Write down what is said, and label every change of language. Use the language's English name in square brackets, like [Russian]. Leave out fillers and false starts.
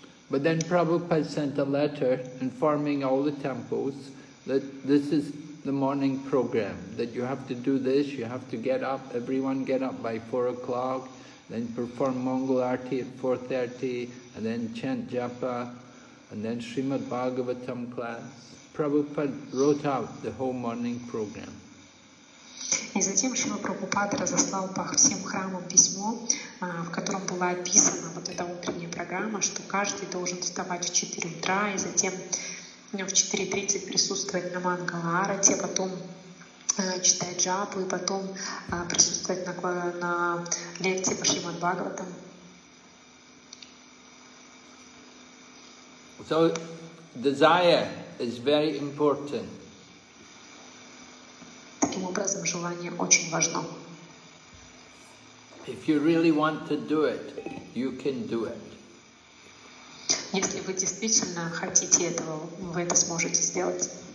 [English] But then Prabhupada sent a letter informing all the temples that this is the morning program, that you have to do this, you have to get up, everyone get up by 4 o'clock, then perform Mangal Arati at 4:30, and then chant japa, and then Srimad Bhagavatam class. Prabhupada wrote out the whole morning program. [Russian] И затем Шрила Прабхупада разослал по всем храмам письмо, в котором была описана вот эта утренняя программа, что каждый должен вставать в 4 утра, и затем в 4:30 присутствовать на Мангал Арати, а потом читать джапу и потом присутствовать на лекции по Шримад Бхагаватам. [English] So desire is very important. [Russian] Таким образом, желание очень важно. [English] If you really want to do it, you can do it. [Russian] Если вы действительно хотите этого, вы это сможете сделать.